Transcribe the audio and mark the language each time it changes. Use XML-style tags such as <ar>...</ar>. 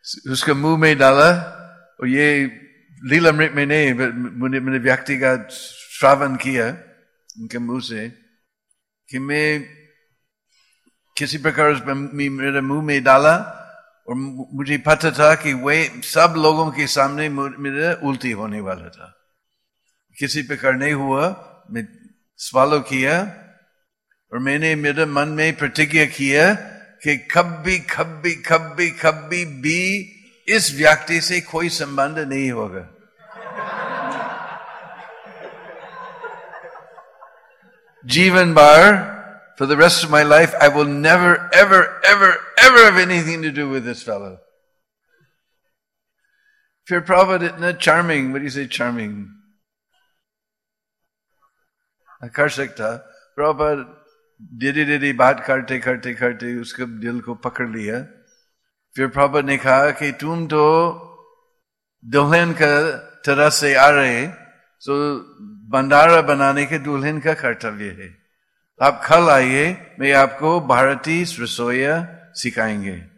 <hi>उसका मुंह में डाला, और ये लीलामृत में नहीं, मैंने व्यक्तिगत श्रावण किया उनके मुंह से कि मैं किसी प्रकार मेरे मुंह में डाला, और मुझे पता था कि वे सब लोगों के सामने मेरे उल्टी होने वाला था, किसी प्रकार नहीं हुआ। मैं स्वालो किया और मैंने मेरे मन में प्रतिज्ञा किया कि कभी कभी कभी कभी भी इस व्यक्ति से कोई संबंध नहीं होगा। जीवन भर,</hi> <en>for the rest of my life, I will never, ever, ever, ever have anything to do with this fellow.</en> <hi>फिर प्रभुपाद इतने charming,</hi> <en>what do you say charming?</en> <hi>आकर्षक था। प्रभुपाद धीरे धीरे बात करते करते करते उसके दिल को पकड़ लिया। फिर प्रभुपाद ने कहा कि तुम तो दुल्हन का तरह से आ रहे, तो भंडारा बनाने के दुल्हन का कर्तव्य है, आप कल आइए, मैं आपको भारतीय रसोईया सिखाएंगे।</hi>